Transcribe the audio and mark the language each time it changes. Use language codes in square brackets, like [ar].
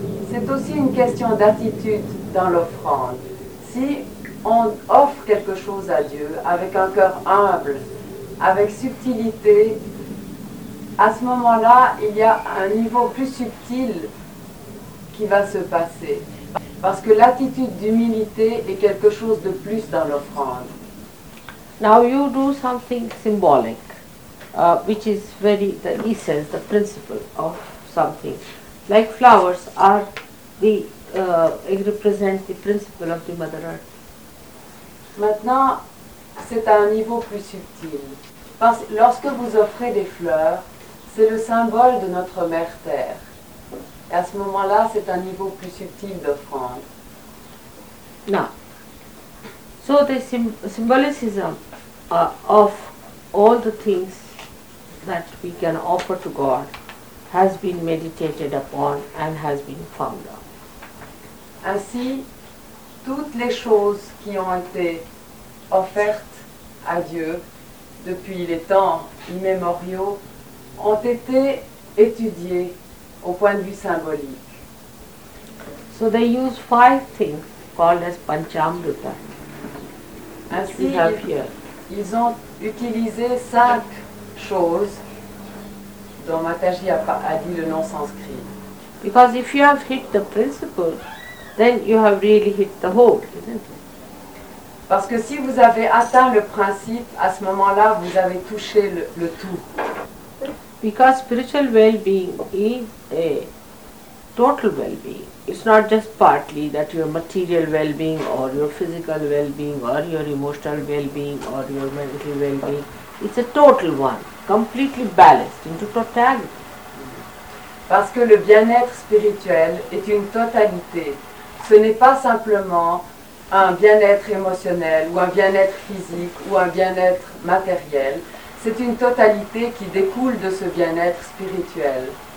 [fr] C'est aussi une question d'attitude dans l'offrande. Si on offre quelque chose à Dieu avec un cœur humble, avec subtilité, à ce moment-là, il y a un niveau plus subtil qui va se passer. Parce que l'attitude d'humilité est quelque chose de plus dans l'offrande. [en] Now you do something symbolic, which is very the essence, the principle of something. Like flowers are the represent the principle of the Mother Earth. [fr] Maintenant, c'est à un niveau plus subtil. Parce que lorsque vous offrez des fleurs, c'est le symbole de notre Mère Terre. Et à ce moment-là, c'est un niveau plus subtil d'offrande. [en] Now, so the symbolicism of all the things that we can offer to God has been meditated upon and has been found out. [fr] Ainsi, toutes les choses qui ont été offertes à Dieu depuis les temps immémoriaux ont été étudiées au point de vue symbolique. [en] So they use five things called as panchamrita. [fr] Ainsi, ils ont utilisé cinq choses dont Mataji a dit le nom sanskrit. [en] Because if you have hit the principle, then you have really hit the hole, isn't it? [fr] Parce que si vous avez atteint le principe, à ce moment-là, vous avez touché le tout. [en] Because spiritual well-being is a total well-being. It's not just partly that your material well-being or your physical well-being or your emotional well-being or your mental well-being. It's a total one, completely balanced into totality. [fr] Parce que le bien-être spirituel est une totalité. Ce n'est pas simplement un bien-être émotionnel ou un bien-être physique ou un bien-être matériel. C'est une totalité qui découle de ce bien-être spirituel.